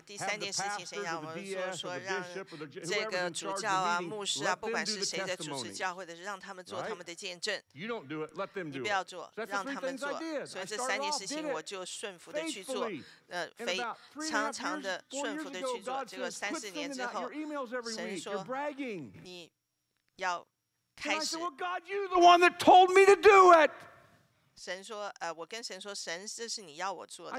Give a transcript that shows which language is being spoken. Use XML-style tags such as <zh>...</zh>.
<zh>第三件事情，谁让我们说让这个主教啊、牧师啊，不管是谁在主持教会的，让他们做他们的见证。</zh> <en>You don't do it. Let them do it.</en> <zh>你不要做，让他们做。所以这三件事情，我就顺服的去做。非常常的顺服的去做。这个三四年之后，神说你要开始。</zh> <en>I said, "Well, God, you're the one that told me to do it."</en> <zh>神说，我跟神说，神，这是你要我做的。</zh>